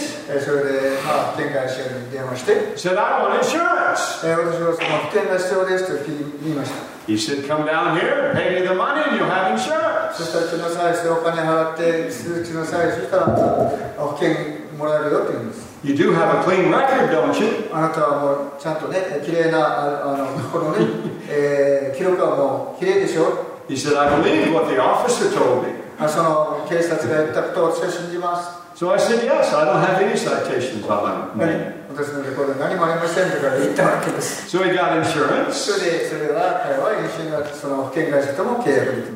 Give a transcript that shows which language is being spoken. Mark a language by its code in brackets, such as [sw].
[en] Said, I want insurance. He said, come down here, pay me the money, and you'll have insurance. You do have a clean record, don't you? [ja] あなたはもうちゃんとね、きれいなこのね、記録はもうきれいでしょ。 [en] He said, I believe what the officer told me. [ja] その警察が言ったことを私は信じます。 [en] So I said, yes, I don't have any citations on my name. [ja] 私のレコードに何もありませんとか言ったわけです。 [en] So he got insurance. [ja] それは一緒にその保険会社とも契約できた。